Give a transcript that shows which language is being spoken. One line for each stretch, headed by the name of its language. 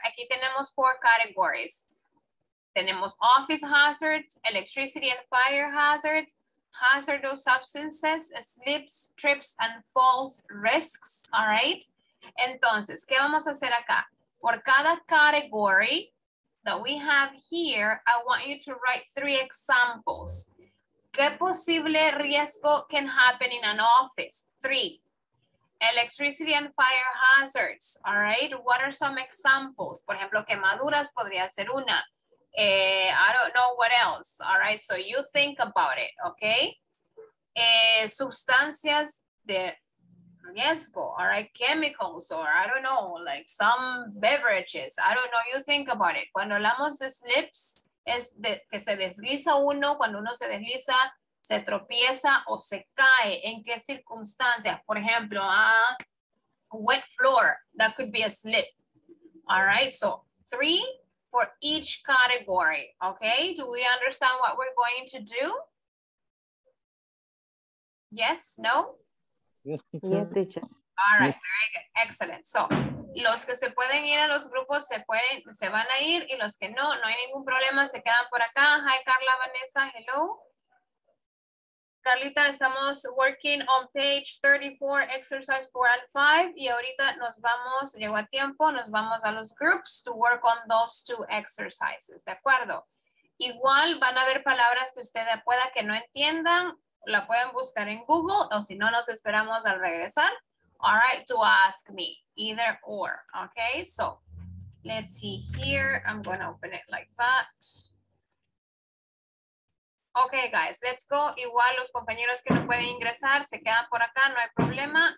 Spanish: Aquí tenemos
English: 4 categories.
Spanish: Tenemos
English: office hazards, electricity and fire hazards, hazardous substances, slips, trips, and falls risks, all right?
Spanish: Entonces, ¿qué vamos a hacer acá? Por cada
English: category that we have here, I want you to write 3 examples.
Spanish: ¿Qué posible riesgo
English: can happen in an office? 3. Electricity and fire hazards, all right? What are some examples?
Spanish: Por ejemplo, quemaduras podría ser una.
English: I don't know what else. All right, so you think about it, okay?
Spanish: Sustancias de riesgo,
English: all right, chemicals, or I don't know, like some beverages, I don't know, you think about it.
Spanish: Cuando hablamos de slips, es de, que se desliza uno, cuando uno se desliza, se tropieza o se cae, ¿en qué circunstancias? Por ejemplo,
English: a wet floor, that could be a slip, all right, so three for each category, okay, do we understand what we're going to do? Yes, no? Yes, teacher. All right, yes. Very good. Excellent.
Spanish: So, los que se pueden ir a los grupos se pueden, se van a ir, y los que no, no hay ningún problema, se quedan por acá. Hi, Carla, Vanessa, hello. Carlita, estamos
English: working on page 34, exercise 4 and 5,
Spanish: y ahorita nos vamos, llegó a tiempo, nos vamos a los
English: groups to work on those two exercises,
Spanish: ¿de acuerdo? Igual van a haber palabras que ustedes pueda que no entiendan, la pueden buscar en Google, o si no, nos esperamos al regresar.
English: All right, to ask me, either or, okay? So, let's see here, I'm gonna open it like that. Okay, guys, let's go.
Spanish: Igual los compañeros que no pueden ingresar se quedan por acá, no hay problema.